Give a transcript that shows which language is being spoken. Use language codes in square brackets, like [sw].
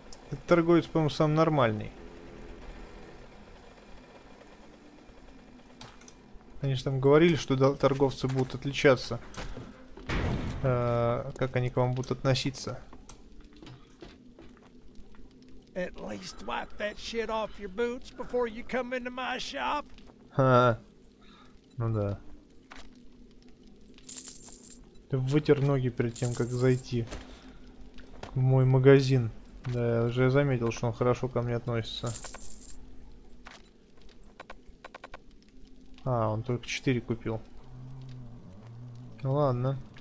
[ru] Этот торговец, по-моему, сам нормальный. Они же там говорили, что торговцы будут отличаться. Как они к вам будут относиться? [en] At least wipe that shit off your boots before you come into my shop. [ru] Ну да. Ты вытер ноги перед тем, как зайти в мой магазин. Да, я уже заметил, что он хорошо ко мне относится. А, он только 4 купил. Ну ладно.